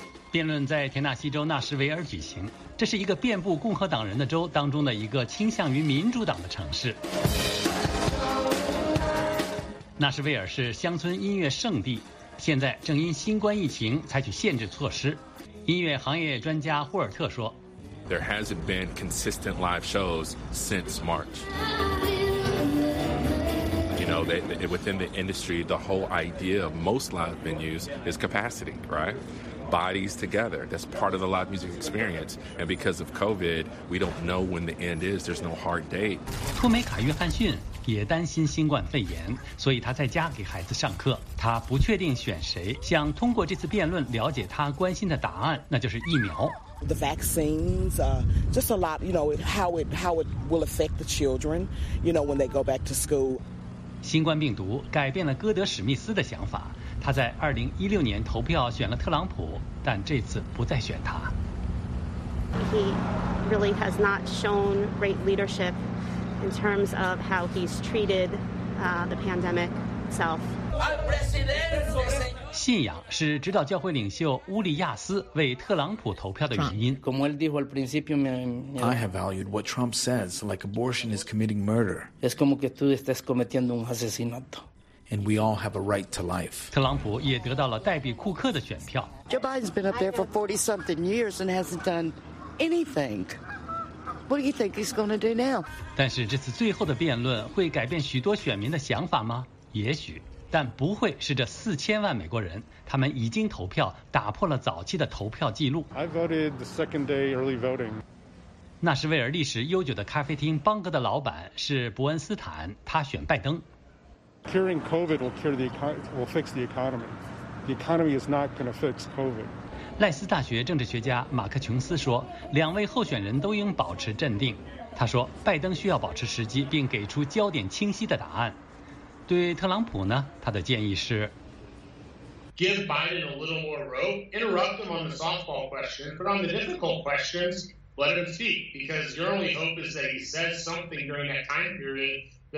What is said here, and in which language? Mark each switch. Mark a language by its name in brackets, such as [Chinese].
[Chinese] 辩论在田纳西州纳什维尔举行，这是一个遍布共和党人的州当中的一个倾向于民主党的城市。纳什维尔是乡村音乐圣地，现在正因新冠疫情采取限制措施。音乐行业专家霍尔特说 [English] There hasn't been consistent live shows since March. You know, within the industry, the whole idea of most live venues is capacity, right? bodies together. That's part of the live music experience. And because of COVID, we don't know when the end is. There's no hard date. [Chinese] 托梅卡约翰逊也担心新冠肺炎，所以他在家给孩子上课。他不确定选谁，想通过这次辩论了解他关心的答案，那就是疫苗。 [English] The vaccines, just a lot, you know, how it will affect the children, you know, when they go back to school. [Chinese] 新冠病毒改变了戈德史密斯的想法。他在2016年投票选了特朗普，但这次不再选他。 [English] He really has not shown great leadership in terms of how he's treated the pandemic itself. [Chinese] 信仰是指导教会领袖乌利亚斯为特朗普投票的原因。 [Spanish] Como él dijo al principio, [English] I have valued what Trump says, like abortion is committing murder. [Spanish] Es como que tú estás cometiendo un asesinato. [English] And we all have a right to life. [Chinese] 特朗普也得到了黛比·库克的选票。 [English] Joe Biden's been up there for 40-something years and hasn't done anything. What do you think he's going to do now? [Chinese] 但是这次最后的辩论会改变许多选民的想法吗？也许，但不会是这4000万美国人，他们已经投票，打破了早期的投票记录。 [English] I voted the second day early voting. [Chinese] 纳什维尔历史悠久的咖啡厅邦格的老板是伯恩斯坦，他选拜登。 [English] Curing COVID will fix the economy. The economy is not going to fix COVID. [Chinese] 赖斯大学政治学家马克琼斯说，两位候选人都应保持镇定。他说，拜登需要保持时机，并给出焦点清晰的答案。对特朗普呢，他的建议是 [English] ：Give Biden a little more rope. Interrupt him on the softball question, but on the difficult questions, let him speak. Because your only hope is that he says something during that time period.